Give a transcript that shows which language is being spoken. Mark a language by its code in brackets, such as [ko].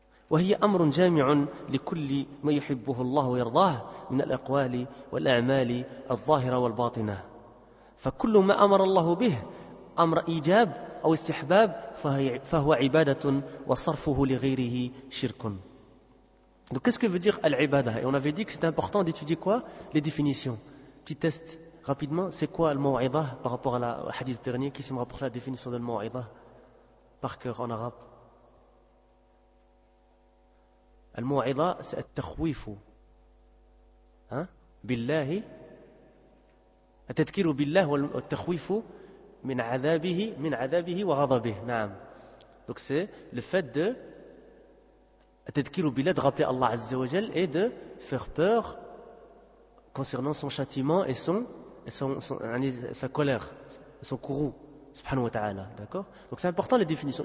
[ar] وهي أمر جامع لكل ما يحبه الله ويرضاه من الأقوال والأعمال الظاهرة والباطنة فكل ما أمر الله به أمر إيجاب أو استحباب فهو عبادة وصرفه لغيره شرك. [fr] Donc qu'est-ce que veut dire العبادة? Et on avait dit que c'est important d'étudier quoi? Les définitions. Petit test rapidement, c'est quoi المواعظة par rapport à la hadith dernier? Qui s'est rapporté la définition de المواعظة par cœur en arabe? [ar] الموعظة التخويف بالله التذكير بالله والتخويف من عذابه وغضبه. نعم. [fr] Donc c'est le fait de [ar] التذكير بالله, [fr] de rappeler Allah Azza wa Jal, et de faire peur concernant son châtiment et sa colère, son courroux, subhanahu wa ta'ala. D'accord? Donc c'est important la définition.